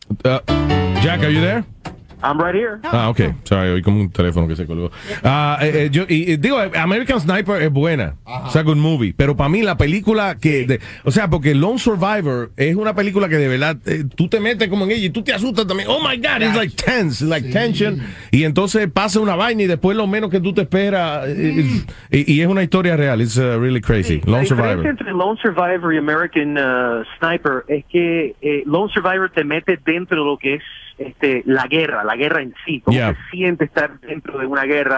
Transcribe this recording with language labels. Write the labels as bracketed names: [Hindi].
[English] Jack, are you there? I'm right here. Ah, okay. [Spanish] Sorry, oí como un teléfono que se colgó. Digo, American Sniper es buena. Uh-huh. [English] It's a good movie. [Spanish] Pero para mí la película que... porque Lone Survivor es una película que de verdad tú te metes como en ella y tú te asustas también. [English] Oh my God, it's like tense, like tension. [Spanish] Y entonces pasa una vaina y después lo menos que tú te esperas... Y es una historia real. [English] It's really crazy. [Spanish] Sí. Lone Survivor. La diferencia entre Lone Survivor y American Sniper es que Lone Survivor te mete dentro de lo que es la guerra en sí, como que siente estar dentro de una guerra.